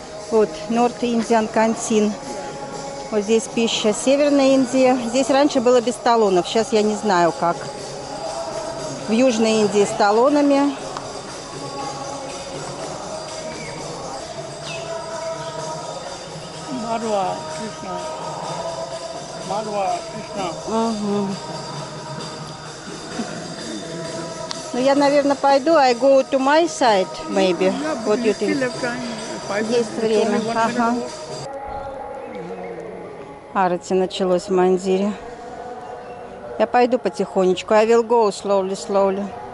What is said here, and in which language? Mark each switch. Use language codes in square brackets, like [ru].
[ru] Вот, North Indian Canteen. Вот здесь пища Северной Индии. Здесь раньше было без талонов. Сейчас я не знаю, как. В Южной Индии с талонами. Марва Кришна. Марва Кришна. Ну, я, наверное, пойду. [en] I go to my side, maybe. What you think? [ru] Есть время. Ага. Арати началось в мандире. Я пойду потихонечку. [en] I will go slowly, slowly.